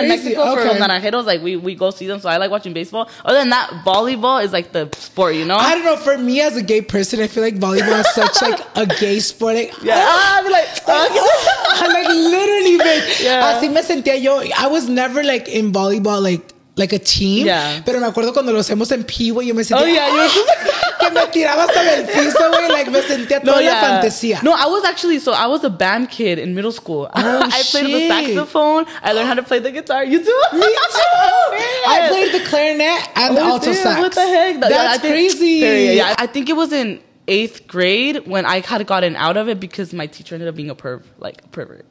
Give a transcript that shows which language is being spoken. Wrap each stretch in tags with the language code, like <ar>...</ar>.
<en>In Mexico for los Naranjeros, like, we go see them, so I like watching baseball. Other than that, volleyball is, like, the sport, you know? I don't know, for me as a gay person, I feel like volleyball is such, like, a gay sport. I'd be like, literally, bitch. Yeah. I was never like in volleyball, like a team. Yeah.</en> <es>Pero me acuerdo cuando lo hacemos en Pee Wee, yo me sentía.</es> <en>Oh, yeah.</en> <es>que me tiraba hasta del piso, güey. Like, me sentía toda la fantasía.</es> <en>No, I was actually, so I was a band kid in middle school. Oh, I played the saxophone. I learned how to play the guitar. You too? Me too. I played the clarinet and the alto sax. What the heck? That's crazy. I think it was in 8th grade when I had gotten out of it because my teacher ended up being a perv, like a pervert.</en>